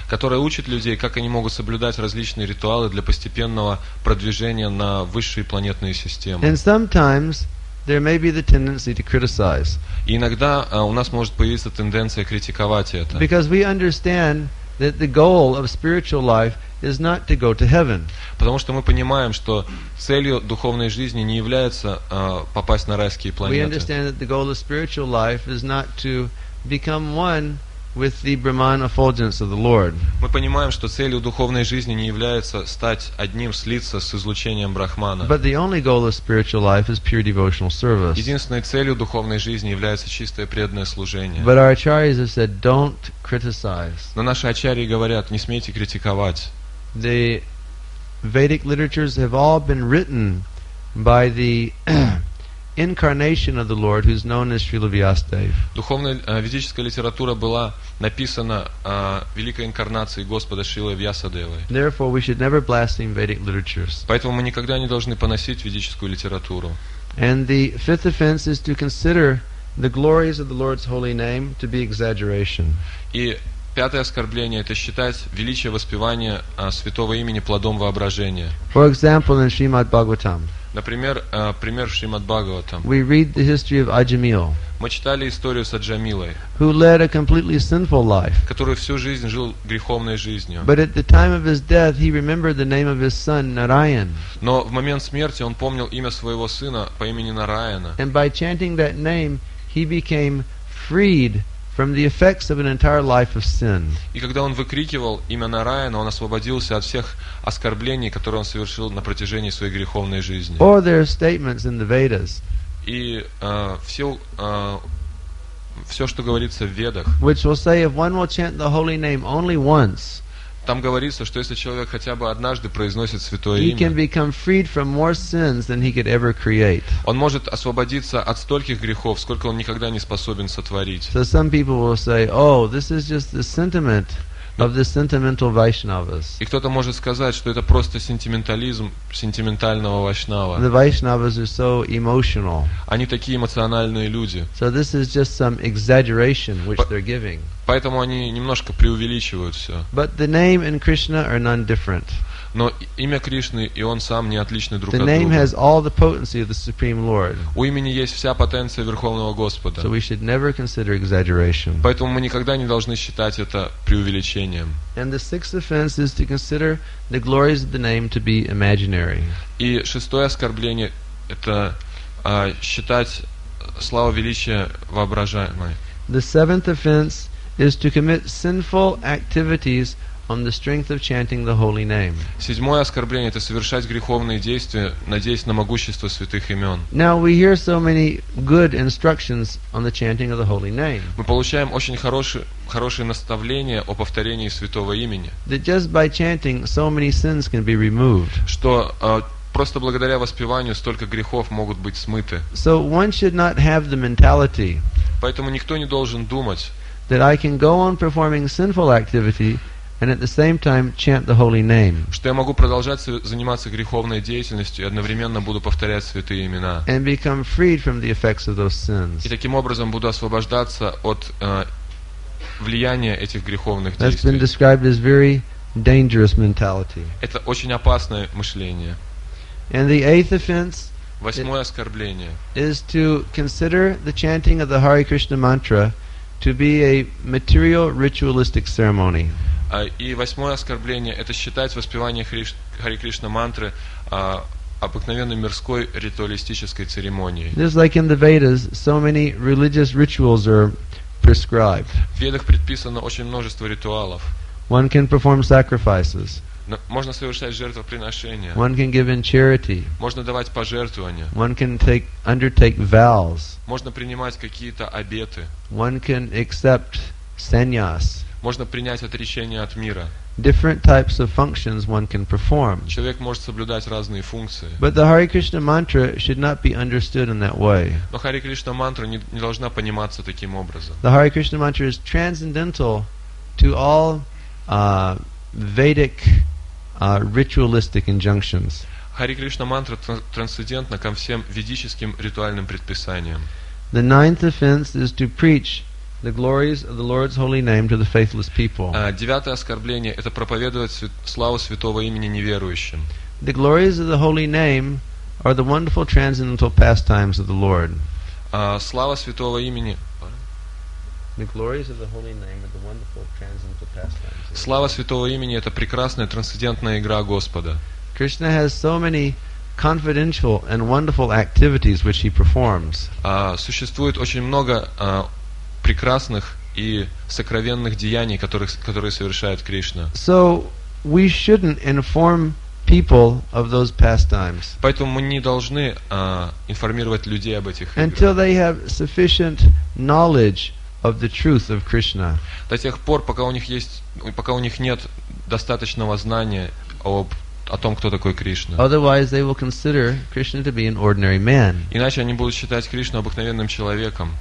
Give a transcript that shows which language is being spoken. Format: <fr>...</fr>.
<ru>Которые учат людей, как они могут соблюдать различные ритуалы для постепенного продвижения на высшие планетные системы.</ru> <en>And sometimes there may be the tendency to criticize.</en> <ru>И иногда у нас может появиться тенденция критиковать это.</ru> <en>Because we understand that the goal of spiritual life is not to go to heaven.</en> <ru>Потому что мы понимаем, что целью духовной жизни не является попасть на райские планеты.</ru> <en>We understand that the goal of spiritual life is not to become one with the Brahman effulgence of the Lord.</en> <ru>Мы понимаем, что целью духовной жизни не является стать одним, слиться с излучением Брахмана.</ru> <en>But the only goal of spiritual life is pure devotional service.</en> <ru>Единственной целью духовной жизни является чистое преданное служение.</ru> <en>But our acharyas have said, don't criticize.</en> <ru>Но наши ачарьи говорят, не смейте критиковать.</ru> <en>The Vedic literatures have all been written by the incarnation of the Lord, who is known as Srila Vyasadeva.</en> <ru>Духовная ведическая литература была написана великой инкарнацией Господа Шрилы Вьясадевой.</ru> <en>Therefore, we should never blaspheme Vedic literatures.</en> <ru>Поэтому мы никогда не должны поносить ведическую литературу.</ru> <en>And the fifth offense is to consider the glories of the Lord's holy name to be exaggeration.</en> <ru>И пятое оскорбление – это считать величие воспевания святого имени плодом воображения.</ru> <en>For example, in Srimad Bhagavatam.</en> <ru>Например, пример в Шримад Бхагаватам.</ru> <en>We read the history of Ajamil.</en> <ru>Мы читали историю с Аджамилой.</ru> <en>Who led a completely sinful life.</en> <ru>Который всю жизнь жил греховной жизнью.</ru> <en>But at the time of his death, he remembered the name of his son Narayan.</en> <ru>Но в момент смерти он помнил имя своего сына по имени Нараяна.</ru> <en>And by chanting that name, he became freed from the effects of an entire life of sin.</en> <ru>И когда он выкрикивал имя Нараяна, он освободился от всех оскорблений, которые он совершил на протяжении своей греховной жизни.</ru> <en>Or there are statements in the Vedas.</en> <ru>И все, что говорится в Ведах.</ru> <en>Which will say if one will chant the holy name only once.</en> <ru>Там говорится, что если человек хотя бы однажды произносит святое имя,</ru> <en>he can become freed from more sins than he could ever create.</en> <ru>Он может освободиться от стольких грехов, сколько он никогда не способен сотворить.</ru> <en>So some people will say, "Oh, this is just the sentiment of the sentimental Vaishnavas.</en> <ru>И кто-то может сказать, что это просто сентиментализм сентиментального Вайшнава.</ru> <en>The Vaishnavas are so emotional.</en> <ru>Они такие эмоциональные люди.</ru> <en>So this is just some exaggeration which they're giving.</en> <ru>Поэтому они немножко преувеличивают все.</ru> <en>But the name and Krishna are none different.</en> <ru>Но имя Кришны и он сам не отличны друг от друга.</ru> <en>The name has all the potency of the Supreme Lord.</en> <ru>У имени есть вся потенция Верховного Господа.</ru> <en>So we should never consider exaggeration.</en> <ru>Поэтому мы никогда не должны считать это преувеличением.</ru> <en>And the sixth offense is to consider the glories of the name to be imaginary.</en> <ru>И шестое оскорбление – это считать славу величия воображаемой.</ru> <en>The seventh offense is to commit sinful activities on the strength of chanting the holy name.</en> <ru>Седьмое оскорбление – это совершать греховные действия, надеясь на могущество святых имен.</ru> <en>Now we hear so many good instructions on the chanting of the holy name.</en> <ru>Мы получаем очень хорошее наставление о повторении святого имени.</ru> <en>That just by chanting, so many sins can be removed.</en> <ru>Что просто благодаря воспеванию столько грехов могут быть смыты.</ru> <en>So one should not have the mentality.</en> <ru>Поэтому никто не должен думать,</ru> <en>that I can go on performing sinful activity and at the same time chant the holy name.</en> <ru>Что я могу продолжать заниматься греховной деятельностью и одновременно буду повторять святые имена.</ru> <en>And become freed from the effects of those sins.</en> <ru>И таким образом буду освобождаться от влияния этих греховных действий.</ru> <en>That's been described as very dangerous mentality.</en> <ru>Это очень опасное мышление.</ru> <en>And the eighth offense,</en> <ru>восьмое оскорбление,</ru> <en>is to consider the chanting of the Hare Krishna mantra to be a material ritualistic ceremony.</en> <ru>И восьмое оскорбление – это считать воспевание Хари Кришна мантры обыкновенной мирской ритуалистической церемонией.</ru> <en>Just like in the Vedas, so many religious rituals are prescribed.</en> <ru>В Ведах предписано очень множество ритуалов.</ru> <en>One can perform sacrifices.</en> <ru>Можно совершать жертвоприношения.</ru> <en>One can give in charity.</en> <ru>Можно давать пожертвования.</ru> <en>One can undertake vows.</en> <ru>Можно принимать какие-то обеты.</ru> <en>One can accept sannyas.</en> <ru>Можно принять отречение от мира.</ru> <en>Different types of functions one can perform.</en> <ru>Человек может соблюдать разные функции.</ru> <en>But the Hare Krishna mantra should not be understood in that way.</en> <ru>Но Hare Krishna mantra не должна пониматься таким образом.</ru> <en>The Hare Krishna mantra is transcendental to all Vedic ritualistic injunctions.</en> <ru>Hare Krishna mantra трансцендентна ко всем ведическим ритуальным предписаниям.</ru> <en>The ninth offense is to preach the glories of the Lord's holy name to the faithless people.</en> <ru>Девятое оскорбление – это проповедовать славу святого имени неверующим.</ru> <en>The glories of the holy name are the wonderful transcendental pastimes of the Lord.</en> <ru>Слава святого имени.</ru> <en>The glories of the holy name are the wonderful transcendental pastimes.</en> <ru>Слава святого имени – это прекрасная трансцендентная игра Господа.</ru> <en>Krishna has so many confidential and wonderful activities which he performs.</en> <ru>Существует очень много прекрасных и сокровенных деяний, которые совершает Кришна.</ru> <en>So we shouldn't inform people of those pastimes.</en> <ru>Поэтому мы не должны информировать людей об этих играх.</ru> <en>Until they have sufficient knowledge of the truth of Krishna.</en> <ru>До тех пор, пока у них нет достаточного знания о том, кто такой Кришна.</ru> <en>Otherwise, they will consider Krishna to be an ordinary man.</en> <ru>Иначе они будут считать Кришну обыкновенным человеком.</ru>